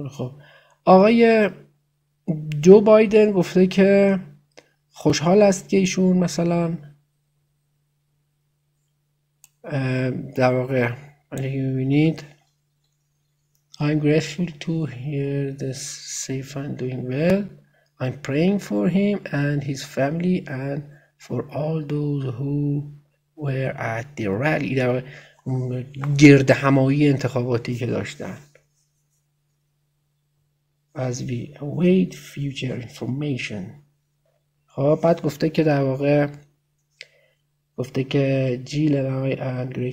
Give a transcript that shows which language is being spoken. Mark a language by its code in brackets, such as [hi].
[fa] خب آقای جو بایدن گفته که خوشحال است که ایشون مثلا در واقع اگه ببینید [en] I'm grateful to hear this safe and doing well. I'm praying for him and his family and for all those who were at the rally. [fa] در گرد همایی انتخاباتی که داشتن. [en] As we await future information. [fa] خب بعد گفته که در واقع گفته که جیل [en] and I am grateful.